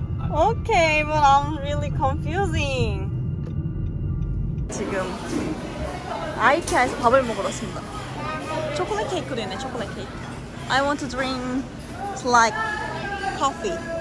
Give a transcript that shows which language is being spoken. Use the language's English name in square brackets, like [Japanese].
[Korean] 오케이, [English] but I'm really confusing. [Korean] 지금 아이케아에서 밥을 먹으러 왔습니다. 초콜릿 케이크도 있네, 초콜릿 케이크. [English] I want to drink like coffee.